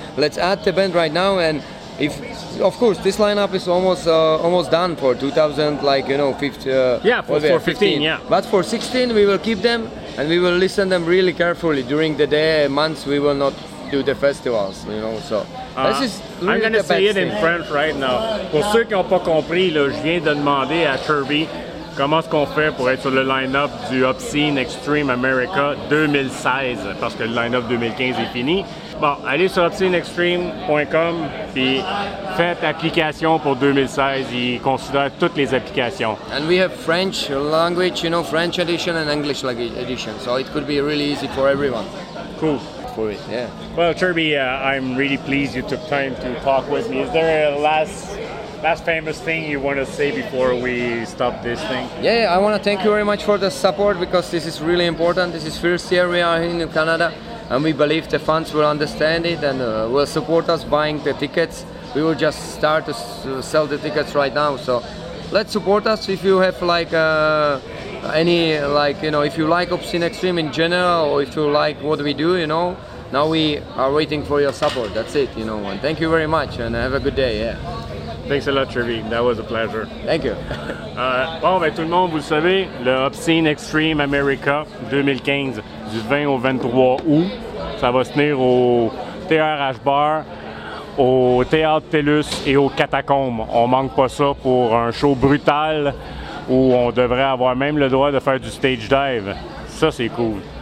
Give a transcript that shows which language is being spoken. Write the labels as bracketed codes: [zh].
[en] Let's add the band right now, and if, of course, this lineup is almost done for 2000, like, you know, 15. Yeah, for 15. Yeah. But for 16, we will keep them, and we will listen them really carefully during the day. Months we will not do the festivals, you know. So this is really, I'm gonna the say it in French right now. [fr] Pour ceux qui n'ont pas compris, là, je viens de demander à Čurby comment est-ce qu'on fait pour être sur le line-up du Obscene Extreme America 2016, parce que le line-up 2015 est fini. Bon, allez sur obscenextreme.com et faites application pour 2016. Ils considèrent toutes les applications. [en] And we have French language, you know, French edition and English language edition. So it could be really easy for everyone. Cool. For it, yeah. Well, Čurby, I'm really pleased you took time to talk with me. Is there a last famous thing you want to say before we stop this thing? Yeah, I want to thank you very much for the support, because this is really important. This is first year we are in Canada, and we believe the fans will understand it and will support us buying the tickets. We will just start to sell the tickets right now, so let's support us. If you have if you like Obscene Extreme in general, or if you like what we do, you know, now we are waiting for your support. That's it, you know. And thank you very much, and have a good day. Yeah. Thanks a lot, Čurby. That was a pleasure. Thank you. [fr] bon, ben, tout le monde, vous le savez, le Obscene Extreme America 2015, du 20 au 23 août, ça va se tenir au TRH Bar, au Théâtre TELUS et au Catacombe. On manque pas ça pour un show brutal où on devrait avoir même le droit de faire du stage dive. Ça, c'est cool.